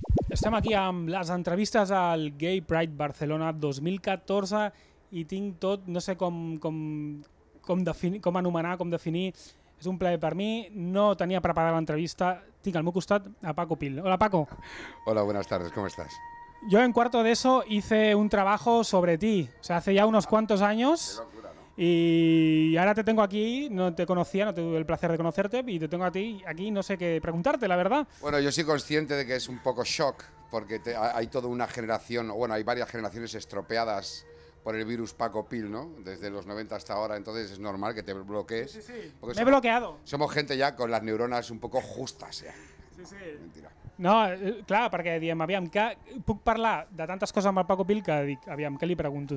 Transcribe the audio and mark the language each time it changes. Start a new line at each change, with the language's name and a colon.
Catalan: Estem aquí amb les entrevistes al Gay Pride Barcelona 2014 i tinc tot, no sé com definir, és un plaer per mi, no tenia preparada l'entrevista, tinc al meu costat a Paco Pil. Hola Paco.
Spanish: Hola, buenas tardes, ¿cómo estás? Yo en cuarto de ESO hice un trabajo sobre ti, o sea, hace ya unos cuantos años. Y ahora te tengo aquí, no te conocía, no tuve el placer de conocerte y te tengo a ti aquí, no sé qué preguntarte, la verdad. Bueno, yo soy consciente de que es un poco shock porque hay toda una generación, bueno, hay varias generaciones estropeadas por el virus Paco Pil, ¿no? Desde los 90 hasta ahora, entonces es normal que te bloquees. Sí, me he bloqueado. Somos gente ya con las neuronas un poco justas ya. Sí. Mentira.
Catalan: No, clar, perquè diem, aviam, que puc parlar de tantes coses amb el Paco Pil que dic, aviam, què li pregunto?